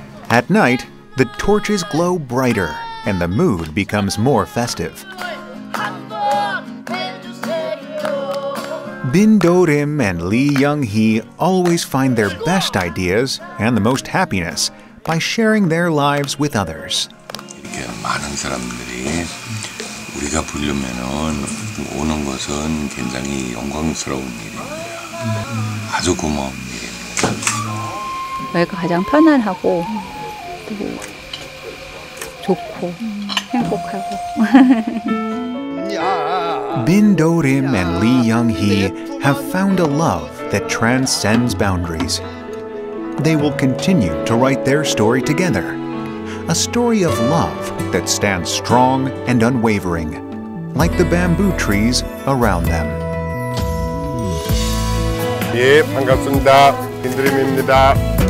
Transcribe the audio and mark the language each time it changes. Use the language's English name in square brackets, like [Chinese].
[English] At night, the torches glow brighter and the mood becomes more festive. Bin Do-rim and Lee Yeong-hee always find their best ideas and the most happiness by sharing their lives with others. [Korean] 이렇게 많은 사람들이 우리가 부르면은 오는 것은 굉장히 영광스러운 일입니다. 아주 고마운 일입니다. 여기가 가장 편안하고 좋고 행복하고. [English] Bin Do-rim and Lee Yeong-hee have found a love that transcends boundaries. They will continue to write their story together. A story of love that stands strong and unwavering, like the bamboo trees around them. [Korean] 예, 반갑습니다. 빈드림입니다.